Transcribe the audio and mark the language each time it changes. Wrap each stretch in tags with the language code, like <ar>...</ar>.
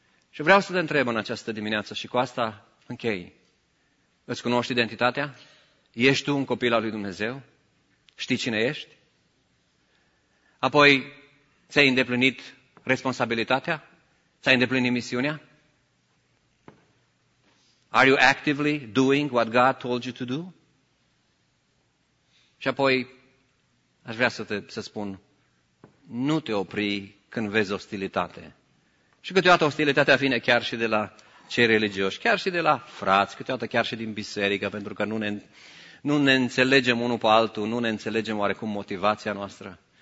<ro>Și vreau să te întreb în această dimineață și cu asta închei. Îți cunoști identitatea? Ești tu un copil al lui Dumnezeu? Știi cine ești? Apoi, ți-ai îndeplinit responsabilitatea? Ți-ai îndeplinit misiunea?</ro> <en>Are you actively doing what God told you to do?</en> <ro>Și apoi, aș vrea să spun, nu te opri când vezi ostilitate. Și câteodată ostilitatea vine chiar și de la cei religioși, chiar și de la frați, câteodată chiar și din biserică, pentru că nu ne înțelegem unul pe altul, nu ne înțelegem oarecum motivația noastră.</ro>